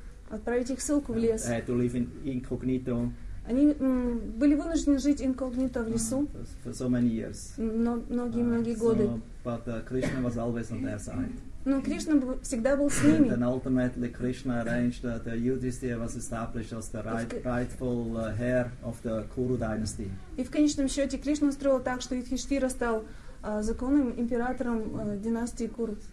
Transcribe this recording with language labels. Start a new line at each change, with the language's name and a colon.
Russian: Отправить их ссылку в лес.
English: Had to live incognito.
Russian: Они были вынуждены жить инкогнито в лесу.
English: For so many years.
Russian: Многие годы.
English: But Krishna was always on their side.
Russian: Но Кришна всегда был с ними.
English: And ultimately Krishna arranged that Yudhishthira was established as the rightful heir of the Kuru dynasty.
Russian: И в конечном счете Кришна устроил так, что Юдхиштхира стал законным императором династии Куру.